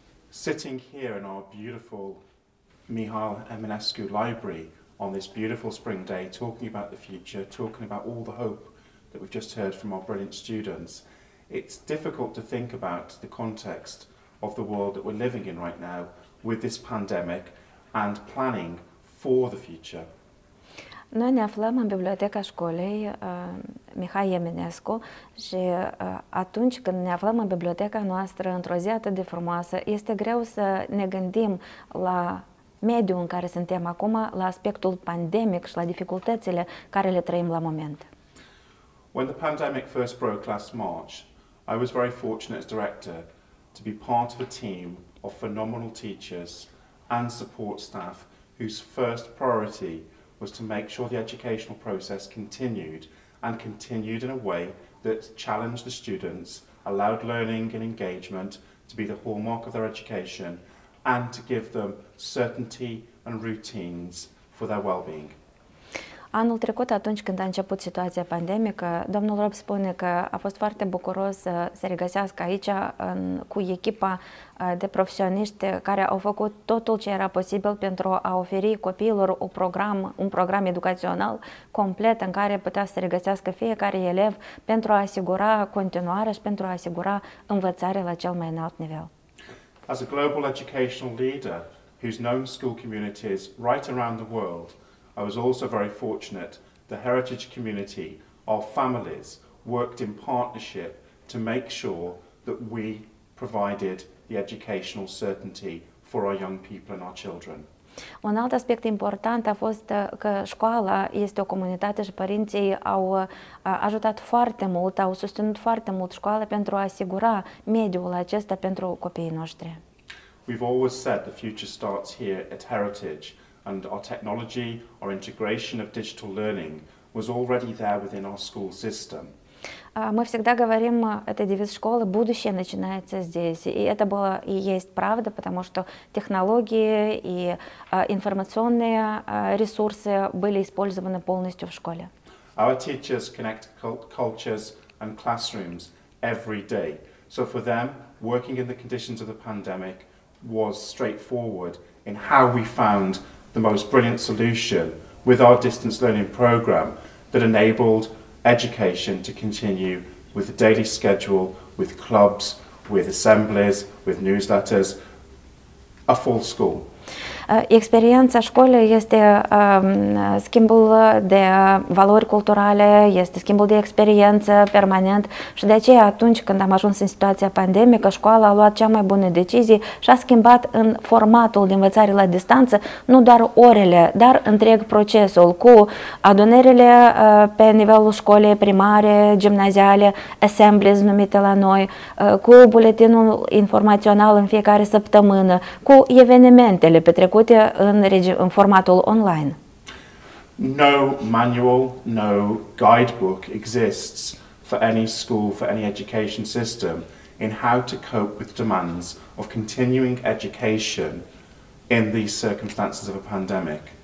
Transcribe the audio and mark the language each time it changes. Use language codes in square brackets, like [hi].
[en] Sitting here in our beautiful Mihail Eminescu Library on this beautiful spring day, talking about the future, talking about all the hope that we've just heard from our brilliant students, it's difficult to think about the context of the world that we're living in right now with this pandemic and planning for the future. [ro] Noi ne aflăm în biblioteca școlii Mihai Eminescu și atunci când ne aflăm în biblioteca noastră într-o zi atât de frumoasă, este greu să ne gândim la mediul în care suntem acum, la aspectul pandemic și la dificultățile care le trăim la moment. [en] When the pandemic first broke last March, I was very fortunate as director to be part of a team of phenomenal teachers and support staff whose first priority was to make sure the educational process continued and continued in a way that challenged the students, allowed learning and engagement to be the hallmark of their education and to give them certainty and routines for their well-being. [ro] Anul trecut, atunci când a început situația pandemică, domnul Rob spune că a fost foarte bucuros să se regăsească aici cu echipa de profesioniști care au făcut totul ce era posibil pentru a oferi copiilor un program educațional complet în care putea să se regăsească fiecare elev pentru a asigura continuare și pentru a asigura învățare la cel mai înalt nivel. [en] As a global educational leader who's known school communities right around the world, I was also very fortunate the heritage community, our families, worked in partnership to make sure that we provided the educational certainty for our young people and our children. [ro] Un alt aspect important a fost că școala este o comunitate și părinții au ajutat foarte mult, au susținut foarte mult școala pentru a asigura mediul acesta pentru copiii noștri. [en] We've always said the future starts here at Heritage, and our technology, our integration of digital learning was already there within our school system. [ru] Мы всегда говорим, это девиз школы, будущее начинается здесь. И это было и есть правда, потому что технологии и информационные ресурсы были использованы полностью в школе. [en] Our teachers connect cultures and classrooms every day. So for them, working in the conditions of the pandemic was straightforward in how we found the most brilliant solution with our distance learning program that enabled education to continue with the daily schedule, with clubs, with assemblies, with newsletters, a full school. [ro] Experiența școlii este schimbul de valori culturale, este schimbul de experiență permanent și de aceea atunci când am ajuns în situația pandemică, școala a luat cea mai bună decizie și a schimbat în formatul de învățare la distanță, nu doar orele, dar întreg procesul cu adunările pe nivelul școlii primare, gimnaziale, assemblies numite la noi, cu buletinul informațional în fiecare săptămână, cu evenimentele petrecute în formatul online. [en] No manual, no guidebook exists for any school, for any education system in how to cope with demands of continuing education in these circumstances of a pandemic.